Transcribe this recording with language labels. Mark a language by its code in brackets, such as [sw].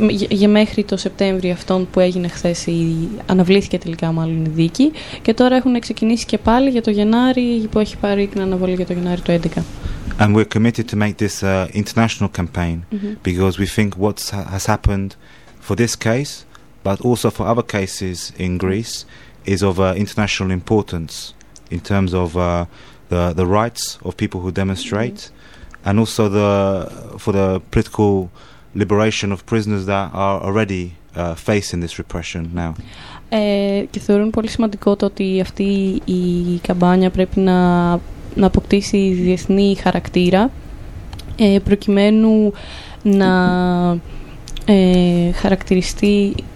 [el] για μέχρι το Σεπτέμβριο αυτόν που έγινε χθες, αναβλήθηκε τελικά μάλλον η δίκη, και τώρα έχουν ξεκινήσει και πάλι για το Γενάρη, που έχει πάρει την αναβολή για το Γενάρη το 2011. [en] And we're committed to make this international campaign because we think what has happened for this case, but also for other cases in Greece, is of international importance in terms of the rights of people who demonstrate, and also for the political liberation of prisoners that are already facing this repression now. [el] Και θεωρούν πολύ σημαντικό το ότι αυτή η καμπάνια πρέπει να αποκτήσει διεθνή χαρακτήρα, προκειμένου να χαρακτηριστεί,